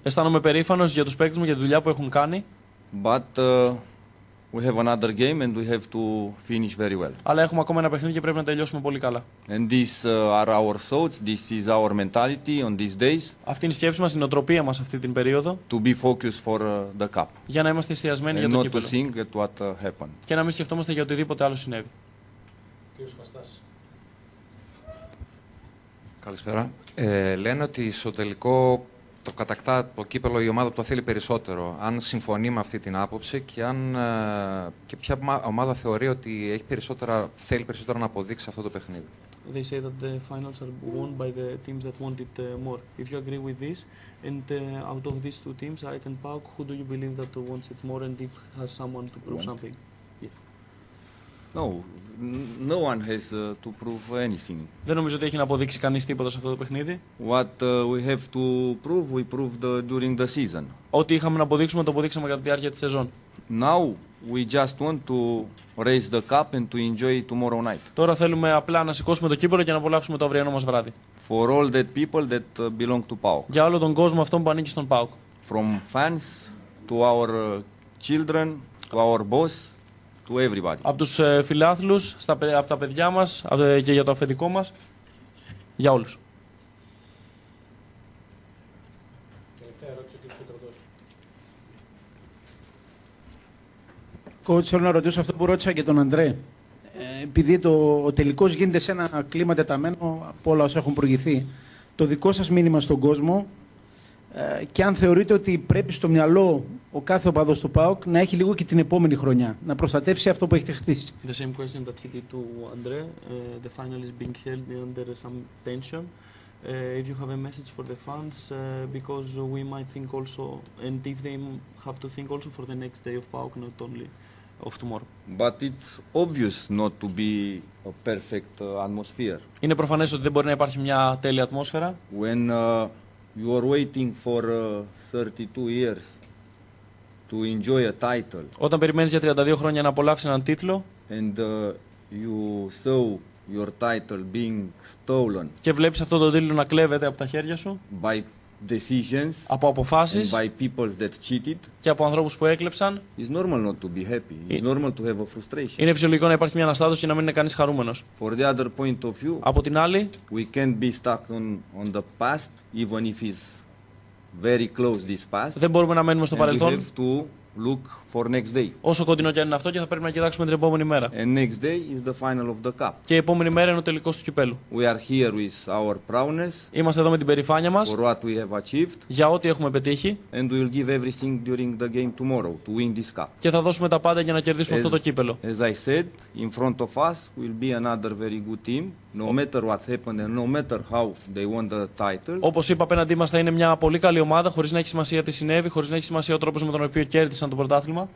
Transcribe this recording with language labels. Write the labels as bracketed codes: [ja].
[el] Αισθάνομαι περήφανος για τους παίκτες μου, για τη δουλειά που έχουν κάνει. [en] But we have another game and we have to finish very well. [el] Αλλά έχουμε ακόμα ένα παιχνίδι και πρέπει να τελειώσουμε πολύ καλά. [en] And these are our thoughts, this is our mentality on these days. [el] Αυτή είναι η σκέψη μας, η νοοτροπία μας αυτή την περίοδο. [en] To be focused for the cup. [el] Για να είμαστε εστιασμένοι για το κύπελλο. [en] And not to think at what happened. [el] Και να μην σκεφτόμαστε για οτιδήποτε άλλο συνέβη. Κύριος Καστάς. Καλησπέρα. Λένε ότι στο τελικό το κατακτά το κύπελλο η ομάδα που το θέλει περισσότερο. Αν συμφωνεί με αυτή την άποψη και, και ποια ομάδα θεωρεί ότι έχει περισσότερα, θέλει περισσότερο να αποδείξει αυτό το παιχνίδι. [en] They say that the finals are won by the teams that want it more. If you agree with this, and out of these two teams, AEK and PAOK, who do you believe that wants it more and if has someone to prove something? No one has to prove anything. [el] Δεν νομίζω ότι έχει να αποδείξει κανείς τίποτα σε αυτό το παιχνίδι. [en] What we have to prove, we proved during the season. [el] Ό,τι είχαμε να αποδείξουμε, το αποδείξαμε κατά τη διάρκεια της σεζόν. [en] Now we just want to raise the cup and to enjoy tomorrow night. [el] Τώρα θέλουμε απλά να σηκώσουμε το κύπελλο και να απολαύσουμε το αυριανό μας βράδυ. [en] For all that people that belong to PAOK. [el] Για όλο τον κόσμο αυτό που ανήκει στον PAOK. [en] From fans to our children, to our boss. To everybody. [el] Από τους φιλάθλους, από τα παιδιά μας και για το αφεντικό μας, για όλους. Τελευταία ερώτηση, κύριε Κοτροδός. Θέλω να ρωτήσω αυτό που ρώτησα και τον Αντρέ. Επειδή ο τελικός γίνεται σε ένα κλίμα τεταμένο από όλα όσα έχουν προηγηθεί, το δικό σας μήνυμα στον κόσμο και αν θεωρείτε ότι πρέπει στο μυαλό ο κάθε οπαδός του ΠΑΟΚ να έχει λίγο και την επόμενη χρονιά, να προστατεύσει αυτό που έχετε χτίσει. [en] The same question that he did to Andre. The final is being held under some tension. If you have a message for the fans, because we might think also, and if they have to think also for the next day of ΠΑΟΚ, not only of tomorrow. But it's obvious not to be a perfect atmosphere. [el] Είναι προφανές ότι δεν μπορεί να υπάρχει μια τέλεια ατμόσφαιρα. [en] When you are waiting for 32 years to enjoy a title. [el] Όταν περιμένεις για 32 χρόνια να απολαύσεις έναν τίτλο. [en] And you saw your title being stolen. [el] Και βλέπεις αυτό το τίτλο να κλέβεται από τα χέρια σου. [en] By decisions. [el] Από αποφάσεις. [en] And by people that cheated. [el] Και από ανθρώπους που έκλεψαν. [en] It's normal not to be happy. It's normal to have a frustration. [el] Είναι φυσιολογικό να υπάρχει μια αναστάτωση και να μην είναι κανείς χαρούμενος. [en] For the other point of view. [el] Από την άλλη. [en] We can't be stuck on the past, even if it's very close this past. [el] Δεν μπορούμε να μένουμε στο παρελθόν. [en] We have to look for next day. [el] Όσο κοντινό και αν είναι αυτό, και θα πρέπει να κοιτάξουμε την επόμενη μέρα. [en] And next day is the final of the cup. [el] Και η επόμενη μέρα είναι ο τελικός του κυπέλου. [en] We are here with our proudness. [el] Είμαστε εδώ με την περηφάνεια μας. [en] For what we have achieved. [el] Για ό,τι έχουμε πετύχει. [en] And we'll give everything during the game tomorrow to win this cup. [el] Και θα δώσουμε τα πάντα για να κερδίσουμε αυτό το κύπελο. [en] As I said, in front of us will be another very good team. No matter what happened and no matter how they won the title. [el] Όπως είπα, απέναντί μας θα είναι μια πολύ καλή ομάδα, χωρίς να έχει σημασία τι συνέβη, χωρίς να έχει σημασία ο τρόπος με τον οποίο κέρδισαν το πρωτάθλημα.